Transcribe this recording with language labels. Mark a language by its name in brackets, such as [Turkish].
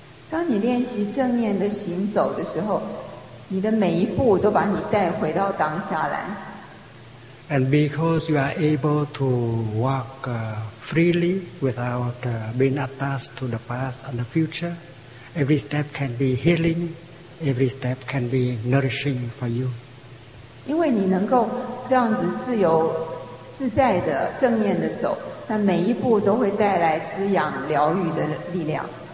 [Chinese] 当你练习正念的行走的时候，你的每一步都把你带回到当下来。 [English] And because you are able to walk freely without being attached to the past and the future, every step can be healing, every step can be nourishing for you. [Chinese] 因为你能够这样子自由自在的正念的走，那每一步都会带来滋养疗愈的力量。